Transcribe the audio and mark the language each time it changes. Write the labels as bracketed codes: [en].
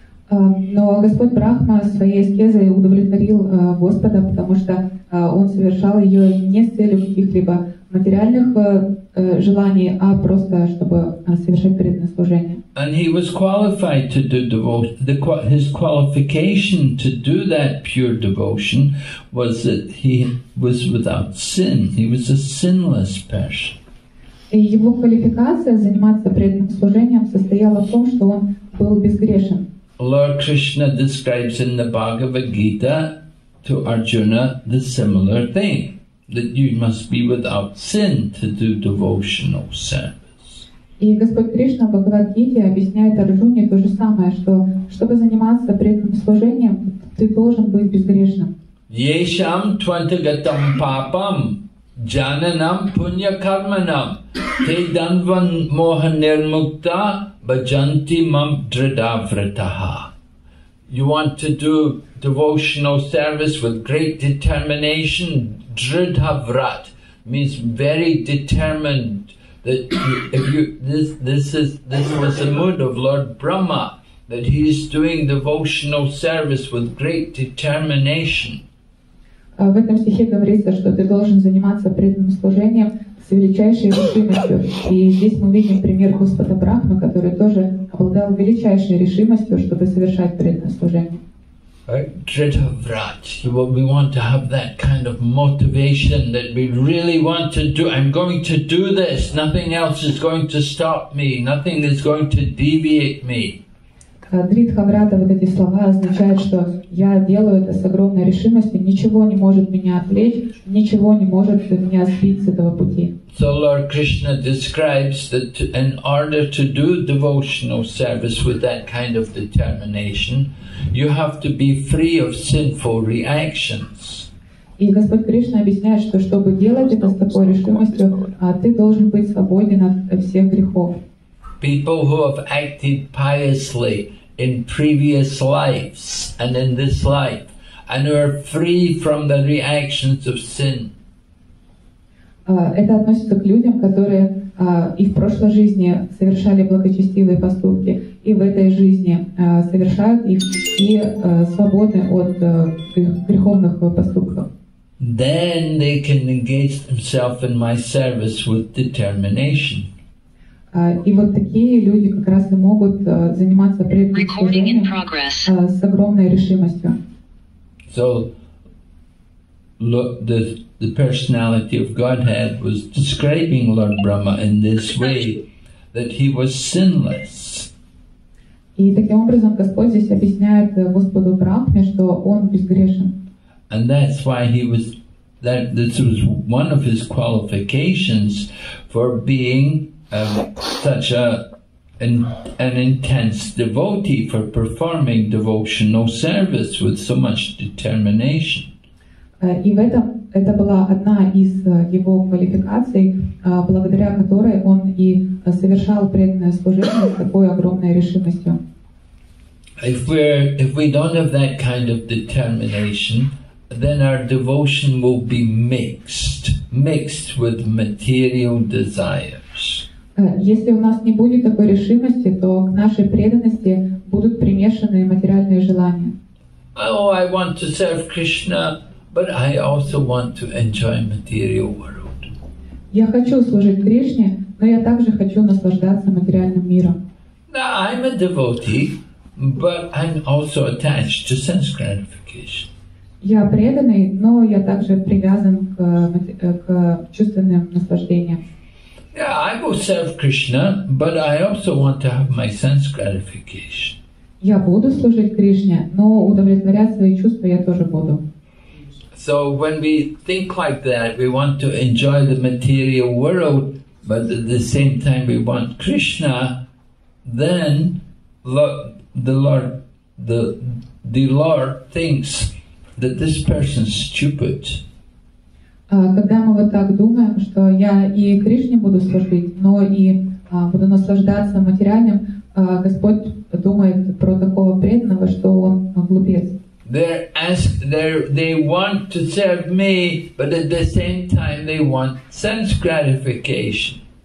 [ru] Но Господь Брахма своей аскезой удовлетворил Господа, потому что он совершал ее не с целью каких-либо материальных желаний, а просто чтобы совершить преданное служение. [en] And he was qualified to do devotion. His qualification to do that pure devotion was that he was without sin. He was a sinless person. [ru] И его квалификация заниматься преданным служением состояла в том, что он был безгрешен. [en] Lord Krishna describes in the Bhagavad Gita to Arjuna the similar thing, that you must be without sin to do devotional service. [ru] И Господь Кришна в Бхагавад-гите объясняет Арджуне то же самое, что чтобы заниматься преданным служением, ты должен быть безгрешным. [sa] Ешам твантагатам папам джананам пунья карманам те данван моха нирмукта баджанти мам дридавратаха. [en] You want to do devotional service with great determination, dridhavrat means very determined. That if you this was the mood of Lord Brahma, that he is doing devotional service with great determination. [ru] В этом стихе говорится, что ты должен заниматься преданным служением с величайшей решимостью. И здесь мы видим пример Господа Брахмы, который тоже обладал величайшей решимостью, чтобы совершать преданное служение. [sa] Dridhavrat. [en] We want to have that kind of motivation that we really want to do. I'm going to do this. Nothing else is going to stop me. Nothing is going to deviate me. [ru] Dridhavrata, вот эти слова означают, что я делаю это с огромной решимостью. Ничего не может меня отвлечь. Ничего не может меня сбить с этого пути. [en] So Lord Krishna describes that in order to do devotional service with that kind of determination, you have to be free of sinful reactions. [ru] И Господь Кришна объясняет, что чтобы делать это с такой решимостью, ты должен быть свободен от всех грехов. [en] People who have acted piously in previous lives and in this life and are free from the reactions of sin. [ru] Это относится к людям, которые и в прошлой жизни совершали благочестивые поступки, и в этой жизни совершают их и свободны от греховных поступков. [en] Then they can engage themselves in my service with determination. [ru] И вот такие люди как раз и могут заниматься преданным с огромной решимостью. [en] So, look, the personality of Godhead was describing Lord Brahma in this way, that he was sinless. [ru] И таким образом Господь здесь объясняет Господу Брахме, что он безгрешен. [en] And that's why he was, that this was one of his qualifications for being such an intense devotee, for performing devotional service with so much determination. [ru] И в этом это была одна из его квалификаций, благодаря которой он и совершал преданное служение с такой огромной решимостью. [en] If we don't have that kind of determination, then our devotion will be mixed with material desires. [ru] Если у нас не будет такой решимости, то к нашей преданности будут примешаны материальные желания. [en] Oh, I want to serve Krishna, but I also want to enjoy material world. [ru] Я хочу служить Кришне, но я также хочу наслаждаться материальным миром. [en] Now, I'm a devotee, but I'm also attached to sense gratification. [ru] Я преданный, но я также привязан к чувственным наслаждениям. [en] Yeah, I will serve Krishna, but I also want to have my sense gratification. [ru] Я буду служить Кришне, но удовлетворять свои чувства я тоже буду. [en] So when we think like that, we want to enjoy the material world, but at the same time we want Krishna, then the Lord thinks that this person's stupid. [ru] Когда мы вот так думаем, что я и Кришне буду служить, но и буду наслаждаться материальным, Господь думает про такого преданного, что он глупец. [en] They want to serve me, but at the same time they want sense gratification.